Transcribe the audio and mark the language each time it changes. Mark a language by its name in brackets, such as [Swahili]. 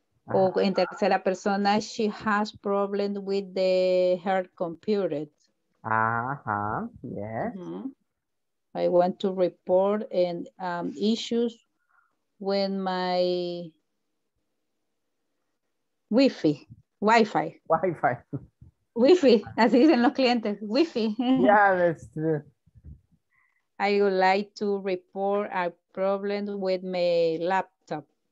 [Spanish] O en tercera persona, [English] she has problems with the her computer. Ajá, yes. Mm-hmm. I want to report and issues when my Wi-Fi. [Spanish] Wi-Fi, así dicen los clientes, Wi-Fi. [English] Yeah, that's true. I would like to report a problem with my laptop.